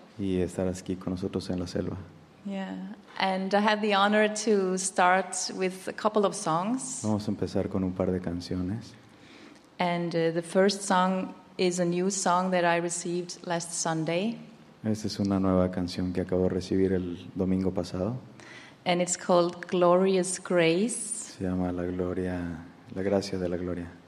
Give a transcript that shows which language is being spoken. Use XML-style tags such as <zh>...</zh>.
<es>Y estar aquí con nosotros en la selva.</es> <en>Yeah, and I had the honor to start with a couple of songs.</en> <es>Vamos a empezar con un par de canciones.</es> <en>And the first song is a new song that I received last Sunday.</en> <es>Esta es una nueva canción que acabo de recibir el domingo pasado.</es> <en>And it's called Glorious Grace.</en> <es>Se llama La Gloria, La Gracia de la Gloria.</es>